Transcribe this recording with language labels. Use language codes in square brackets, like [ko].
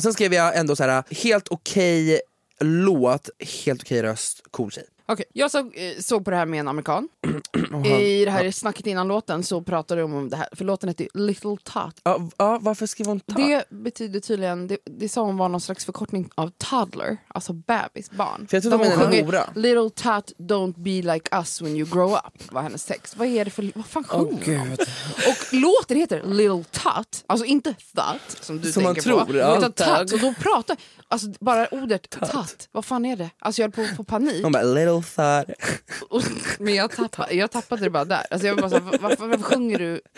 [sv] Sen skrev jag ändå så här helt okej låt, helt okej röst, cool tjej. Okej, okay. Jag såg på det här med en amerikan. I det här snacket innan låten så pratade de om det här. För låten heter Little Tot. Ja, varför skrev hon Tot? Det betyder tydligen, det sa hon var någon slags förkortning av toddler. Alltså bebis, barn. För jag tror de menar Nora. [en] Little Tot, don't be like us when you grow up. [sv] Var hennes text. Vad är det för, vad fan sjunger hon? Gud. Och låten heter Little Tot. Alltså inte that, som du som tänker tror, på. Som man tror, ja. Och då pratar, alltså bara ordet Tot. Vad fan är det? Alltså jag är på panik. Hon bara, Little Tot. Men jag tappade det bara där. Alltså jag bara så, varför sjunger du?